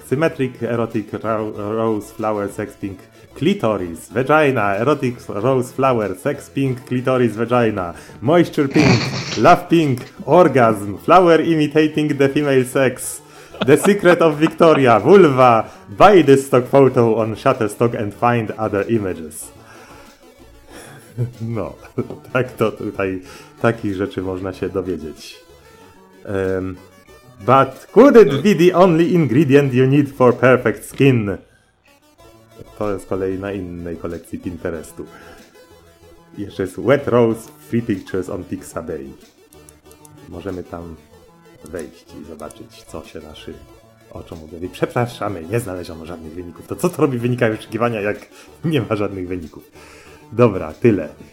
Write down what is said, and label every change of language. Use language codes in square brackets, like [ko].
[en] Symmetric Erotic Rose Flower Sex Pink Clitoris Vagina Erotic Rose Flower Sex Pink Clitoris Vagina Moisture Pink Love Pink Orgasm Flower Imitating the Female Sex The Secret of Victoria, Vulva, buy this stock photo on Shutterstock and find other images. [pl] No, tak to tutaj, takich rzeczy można się dowiedzieć. [en] But could it be the only ingredient you need for perfect skin? [pl] To jest kolej na innej kolekcji Pinterestu. Jeszcze jest [en] Wet Rose, Free Pictures on Pixabay. [pl] Możemy tam wejść i zobaczyć, co się naszym oczom objawi. Przepraszamy, nie znaleziono żadnych wyników. To co to robi w wynikach wyszukiwania, jak nie ma żadnych wyników? Dobra, tyle.